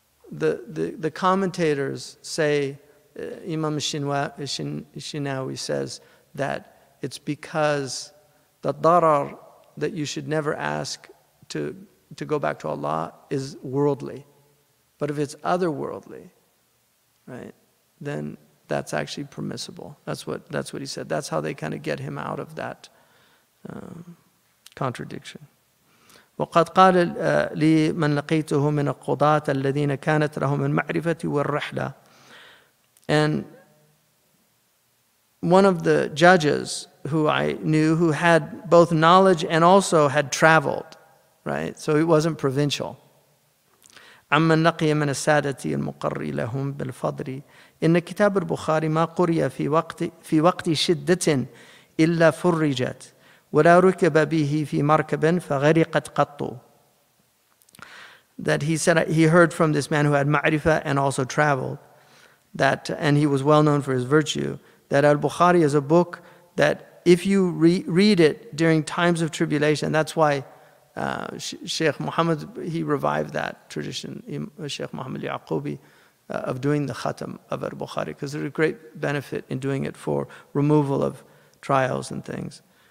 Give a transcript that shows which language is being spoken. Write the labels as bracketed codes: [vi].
[en] The commentators say, Imam Shinawi says that it's because the darar that you should never ask to go back to Allah is worldly. But if it's otherworldly, right, then that's actually permissible. That's what he said. That's how they kind of get him out of that contradiction. [ar] وقد قال لي من لقيته من القضاة الذين كانت لهم المعرفة والرحلة. [en] And one of the judges who I knew who had both knowledge and also had traveled, right? So he wasn't provincial. [ar] عمن لقي من السادة المقر لهم بالفضل إن كتاب البخاري ما قري في وقت شدة إلا فرجت ولا ركب به في مركب فغرقت قط. [en] That he said he heard from this man who had ma'rifa and also traveled, that and he was well known for his virtue, that al-Bukhari is a book that if you read it during times of tribulation, that's why Sheikh Muhammad, he revived that tradition, Sheikh Muhammad al-Yaqubi, of doing the khatm of al-Bukhari, because there's a great benefit in doing it for removal of trials and things.